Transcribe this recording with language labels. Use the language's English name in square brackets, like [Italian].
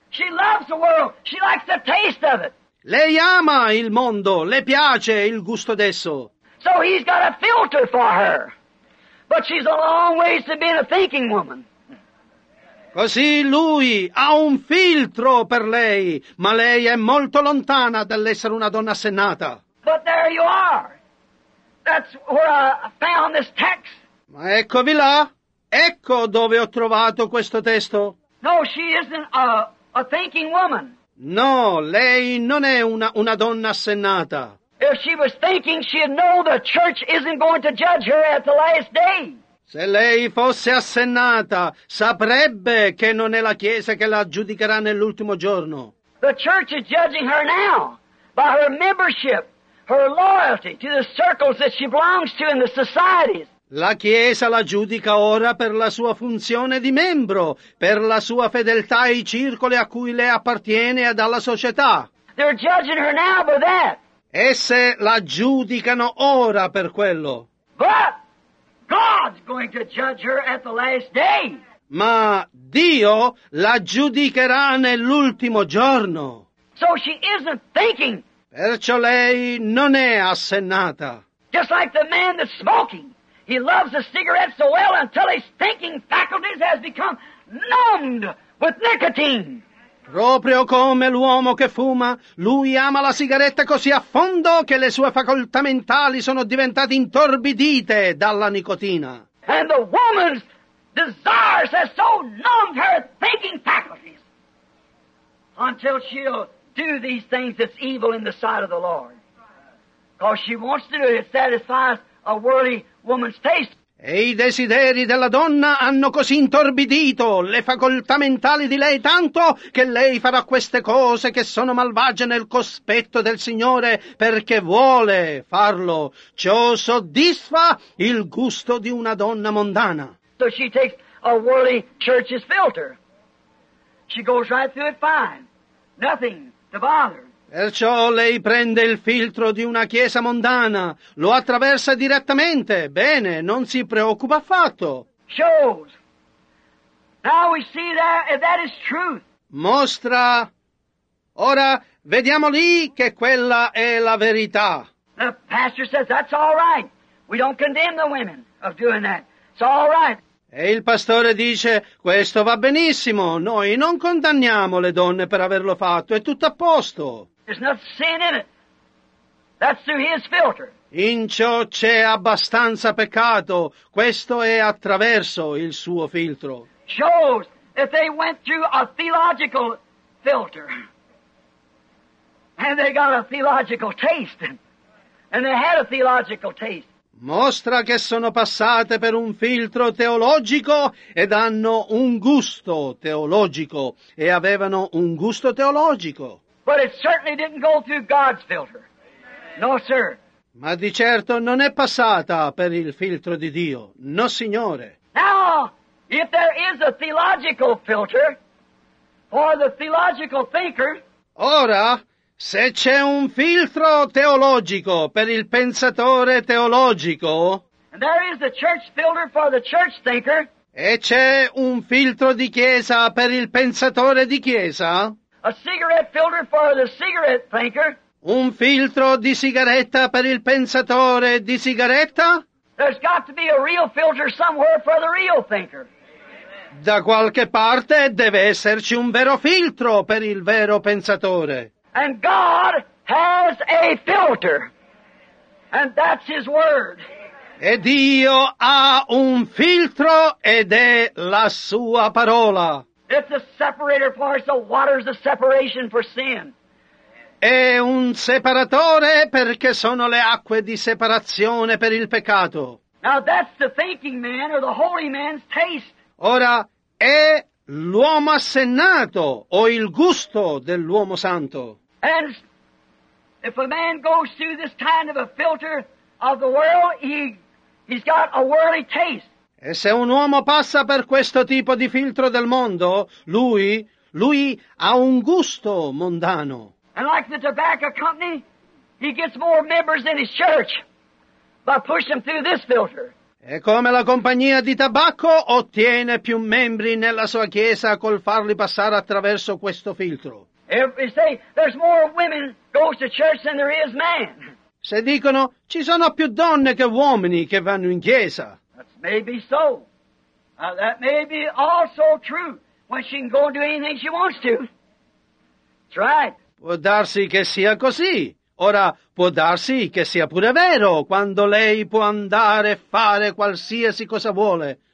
[English] She loves the world, she likes the taste of it. [Italian] Lei ama il mondo, le piace il gusto d'esso. [English] So he's got a filter for her. But she's a long ways to being a thinking woman. [Italian] Così lui ha un filtro per lei, ma lei è molto lontana dall'essere una donna assennata. [English] But there you are. That's where I found this text. [Italian] Ma eccovi là. Ecco dove ho trovato questo testo. [English] No, she isn't a thinking woman. [Italian] No, lei non è una donna assennata. [English] If she was thinking, she'd know the church isn't going to judge her at the last day. [Italian] Se lei fosse assennata, saprebbe che non è la chiesa che la giudicherà nell'ultimo giorno. [English] The church is judging her now by her membership, her loyalty to the circles that she belongs to in the societies. [Italian] La chiesa la giudica ora per la sua funzione di membro, per la sua fedeltà ai circoli a cui lei appartiene e alla società. [English] They're judging her now by that. [Italian] Esse la giudicano ora per quello. [English] But God's going to judge her at the last day. [Italian] Ma Dio la giudicherà nell'ultimo giorno. [English] So she isn't thinking. [Italian] Perciò lei non è assennata. [English] Just like the man that's smoking. He loves the cigarette so well until his thinking faculties has become numbed with nicotine. [Italian] Proprio come l'uomo che fuma, lui ama la sigaretta così a fondo che le sue facoltà mentali sono diventate intorbidite dalla nicotina. [English] And the woman's desires have so numbed her thinking faculties until she'll do these things that's evil in the sight of the Lord. Because she wants to do it, it satisfies a worldly woman's taste. [Italian] E i desideri della donna hanno così intorbidito le facoltà mentali di lei tanto che lei farà queste cose che sono malvagie nel cospetto del Signore perché vuole farlo. Ciò soddisfa il gusto di una donna mondana. [English] So she takes a worldly church's filter. She goes right through it fine. Nothing to bother. [Italian] Perciò lei prende il filtro di una chiesa mondana, lo attraversa direttamente, bene, non si preoccupa affatto. [English] Shows. Now we see that is truth. [Italian] Mostra. Ora vediamo lì che quella è la verità. [English] The pastor says that's all right. We don't condemn the women of doing that. It's all right. [Italian] E il pastore dice, questo va benissimo, noi non condanniamo le donne per averlo fatto, è tutto a posto. [English] There's no sin in it. That's through his filter. [Italian] In ciò c'è abbastanza peccato. Questo è attraverso il suo filtro. [English] Shows that they went through a theological filter. And they got a theological taste. And they had a theological taste. [Italian] Mostra che sono passate per un filtro teologico ed hanno un gusto teologico. E avevano un gusto teologico. [English] But it certainly didn't go through God's filter. No, sir. [Italian] Ma di certo non è passata per il filtro di Dio. No, signore. [English] Now, if there is a theological filter for the theological thinker. [Italian] Ora, se c'è un filtro teologico per il pensatore teologico. [English] And there is a church filter for the church thinker. [Italian] E c'è un filtro di chiesa per il pensatore di chiesa. [English] A cigarette filter for the cigarette thinker. [Italian] Un filtro di sigaretta per il pensatore di sigaretta? [English] There's got to be a real filter somewhere for the real thinker. [Italian] Da qualche parte deve esserci un vero filtro per il vero pensatore. [English] And God has a filter. And that's his word. [Italian] E Dio ha un filtro ed è la sua parola. [English] It's a separator for us. The water's a separation for sin. [Italian] È un separatore perché sono le acque di separazione per il peccato. [English] Now that's the thinking man or the holy man's taste. [Italian] Ora è l'uomo assennato o il gusto dell'uomo santo. [English] And if a man goes through this kind of a filter of the world, he's got a worldly taste. [Italian] E se un uomo passa per questo tipo di filtro del mondo, lui ha un gusto mondano. [English] And like the tobacco company, he gets more members in his church by pushing through this filter. [Italian] E come la compagnia di tabacco ottiene più membri nella sua chiesa col farli passare attraverso questo filtro. [English] They say there's more women goes to church than there is man. [Italian] Se dicono ci sono più donne che uomini che vanno in chiesa. [English] Maybe so. Now that may be also true when she can go and do anything she wants to. That's right. [Italian] Può darsi che sia così. Ora può darsi che sia pure vero quando lei può andare e fare qualsiasi cosa vuole.